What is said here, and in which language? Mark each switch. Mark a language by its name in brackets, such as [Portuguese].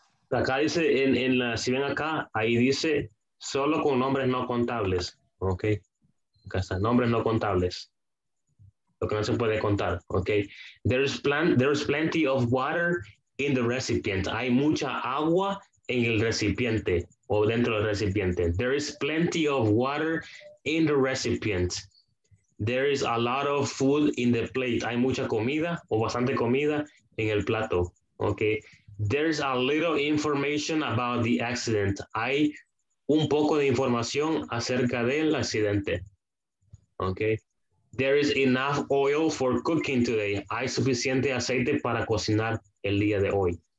[Spanish] Acá dice, en la, si ven acá, ahí dice, solo con nombres no contables, ok. Acá está, nombres no contables, lo que no se puede contar, ok. [English] There's plenty of water in the recipient. [Spanish] Hay mucha agua en el recipiente, o dentro del recipiente. [English] There is plenty of water in the recipient. There is a lot of food in the plate. [Spanish] Hay mucha comida, o bastante comida, en el plato, ok. [English] There's a little information about the accident. [Spanish] Hay un poco de información acerca del accidente. Okay. [English] There is enough oil for cooking today. [Spanish] Hay suficiente aceite para cocinar el día de hoy.